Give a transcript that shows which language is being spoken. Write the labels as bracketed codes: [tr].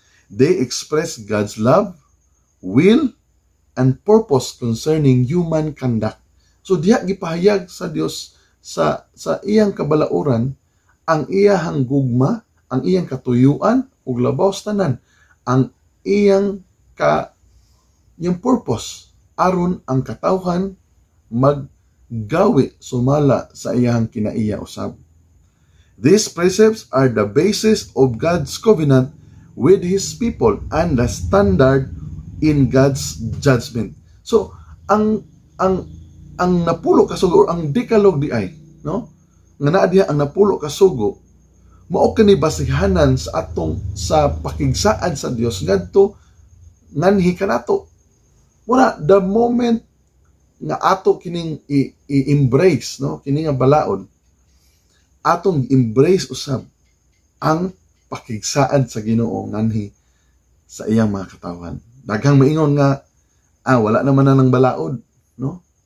[en] They express God's love, will, and purpose concerning human conduct. [ceb] So diha gipahayag sa Dios sa iyang kabalauran ang iyahang gugma, ang iyang katuyuan ug labaw tanan, ang iyang yung purpose aron ang katawhan maggawi sumala sa iyahang kinaiya usab. [en] These precepts are the basis of God's covenant with His people and the standard in God's judgment. So, [ceb] ang ang napulo kasugo or ang Decalogue di ay, no? Nga naa diha ang napulo kasugo, mao kini basihanan sa atong sa pakigsaad sa Dios ngadto nganhi kanato. Mura, [en] the moment [ceb] nga ato kining i-embrace, no? Kining balaod, atong embrace usab ang pakigsaad sa Ginoo nganhi sa iyang mga katawhan. Daghang maingon nga, ah, wala naman na ng balaod, no?